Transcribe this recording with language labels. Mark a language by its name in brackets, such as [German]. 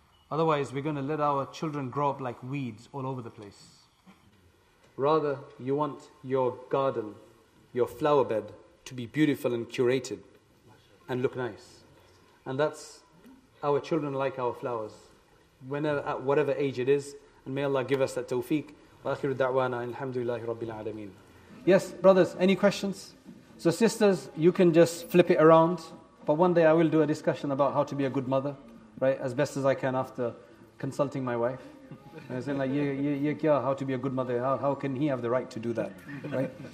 [English] Otherwise, we're going to let our children grow up like weeds all over the place. Rather, you want your garden, your flower bed, to be beautiful and curated and look nice. And that's our children like our flowers, whenever, at whatever age it is. And may Allah give us that tawfiq. [Arabic] وآخر دعوانا الحمد لله رب العالمين. [English] Yes, brothers, any questions? So sisters, you can just flip it around. But one day I will do a discussion about how to be a good mother, right? As best as I can after consulting my wife. I was like, yeah, how to be a good mother? How can he have the right to do that, right?